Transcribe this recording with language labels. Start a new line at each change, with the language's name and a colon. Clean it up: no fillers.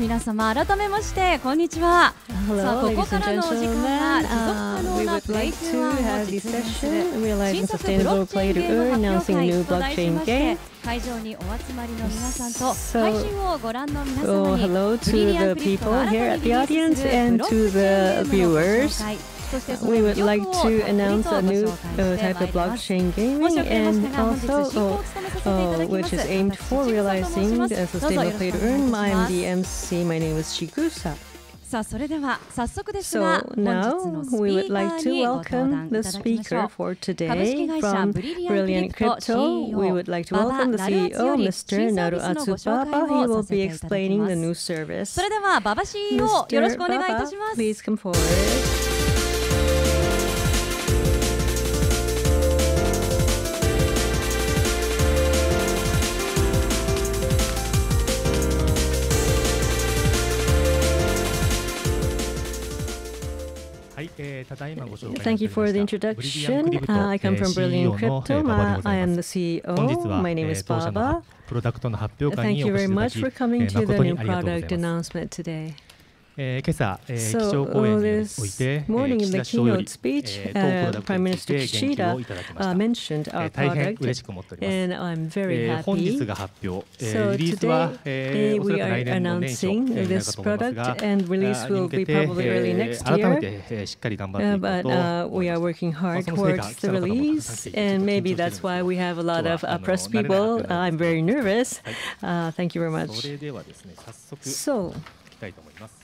Japanese: 皆様、改めまして、こんにちは。 Hello, さあ、ここからのお時間は、持続可能なブロックチェーンゲームを実現する新作ブロックチェーンゲームの発表会と題しまして、会場にお集まりの皆さんと、配信をご覧の皆様に、
English: Hello to the people here at the audience and to the viewers. We would like to announce a new type of blockchain gaming and also which is aimed for realizing a sustainable play to earn. I'm the MC. My name is Chikusa. So now we would like to welcome the speaker for today from Brilliantcrypto. We would like to welcome the CEO, Mr. Naruatsu Baba. He will be explaining the new service.
Japanese: それではババ CEO よろしくお願いいたします。
English: Please come forward. Thank you for the introduction. I come from Brilliantcrypto. I am the CEO. My name is Baba. Thank you very much for coming to the new product announcement today.
Japanese: 今朝、基調講演において、岸田首相より、
English: Prime Minister Kishida mentioned our product.
Japanese: 大変嬉しく思っております。本日が発表、リリースは、おそらく来年の年初になるかと思いますが、に向けて、改めて、しっかり頑張っていこうと思います。その成果、来たのかと思います。
English: And maybe that's why we have a lot of press people. I'm very nervous. Thank you very much.
Japanese: それではですね、早速、聞きたいと思います。